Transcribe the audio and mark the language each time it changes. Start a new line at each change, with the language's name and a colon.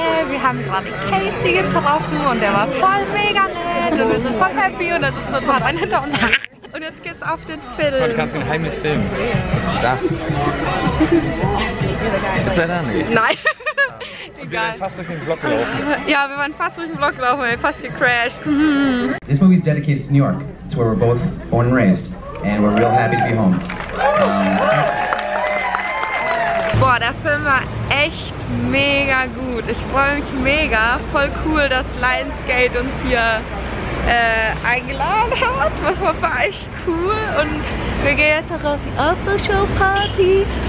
German: Wir haben gerade Casey getroffen und der war voll mega nett. Und wir sind voll happy und da sitzt so ein paar Leute hinter uns. Und jetzt geht's auf den Film. Du kannst ihn heimlich filmen. Da. Ist leider nicht. Nein. Wir waren fast durch den Block gelaufen. Ja, wir waren fast durch den Block gelaufen, fast gecrashed.
English: This movie is dedicated to New York. It's where we're both born and raised. And we're real happy to be home.
German: Boah, der Film war echt mega gut. Ich freue mich mega. Voll cool, dass Lionsgate uns hier eingeladen hat. Das war echt cool. Und wir gehen jetzt auch auf die Aftershow-Party.